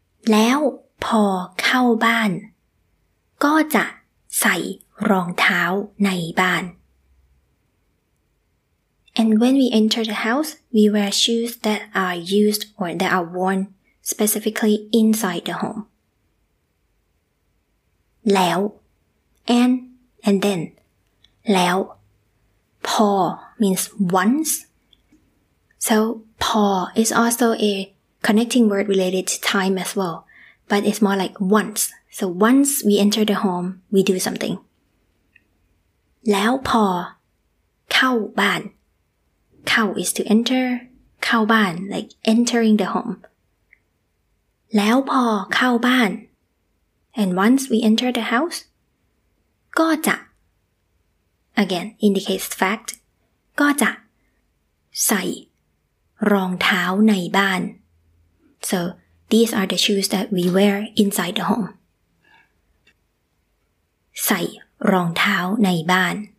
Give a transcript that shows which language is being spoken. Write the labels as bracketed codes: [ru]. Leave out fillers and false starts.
[th] แล้วพอเข้าบ้าน, ก็จะใส่รองเท้าในบ้าน [en] And when we enter the house, we wear shoes that are used or that are worn specifically inside the home. [th] แล้ว [en] and then [th] แล้ว พอ [en] means once. So พอ is also a connecting word related to time as well, but it's more like once. So once we enter the home, we do something. [th] แล้วพอเข้าบ้าน [en] เข้า is to enter, เ ข้าบ้าน like entering the home [th] แล้วพอเข้าบ้าน [en] and once we enter the house ก็จะ again indicates fact [th] ก็จะใส่รองเท้าในบ้าน [en] so these are the shoes that we wear inside the home [th] ใส่รองเท้าในบ้าน